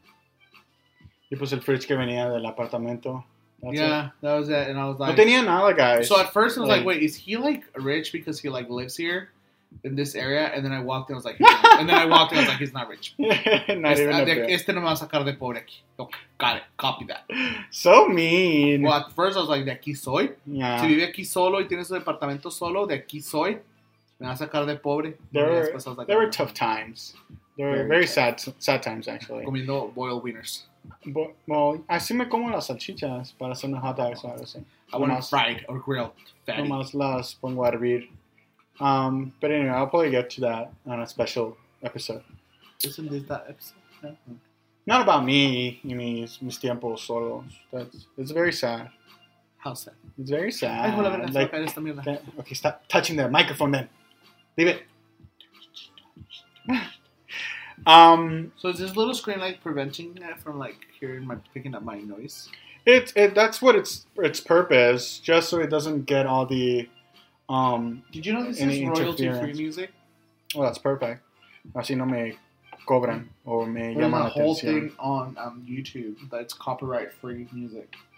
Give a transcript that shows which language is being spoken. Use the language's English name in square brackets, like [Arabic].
[Spanish] Mm-hmm. Y pues el fridge que venía del apartamento. [English] That's yeah, it. That was it. And I was like, [Spanish] no tenía nada, guys. [English] So at first I was like, wait, is he like rich because he like lives here in this area? And then I walked in, I was like, he's not rich. not even [Spanish] no más sacar de pobre aquí. [English] Got it. Copy that. So mean. Well, at first I was like, [Spanish] de aquí soy. [English] Yeah. [Spanish] Si vive aquí solo y tiene su departamento solo, de aquí soy. Me va a sacar de pobre. [English] There were tough times. There were very sad times, actually. [Spanish] Comiendo [English] boiled wieners. [Spanish] Well, así me como las salchichas para hacer unos hot dogs. [English] I want fried or grilled. [Spanish] No más las pongo a hervir. [English] But anyway, I'll probably get to that on a special episode. Isn't this that episode? Yeah. Not about me. I mean, it's [Spanish] mis tiempos solos. [English] It's very sad. How sad? It's very sad. [Spanish] Ay, hola, ver, like, okay, esta mierda. [English] Okay, stop touching the microphone then. Leave it. So is this little screen like preventing that from like hearing my picking up my noise? That's what its purpose, just so it doesn't get all the Did you know this is royalty free music? Well, that's perfect. [Spanish] Así no me cobran o me llaman atención. [English] There's a whole thing on YouTube that's copyright free music.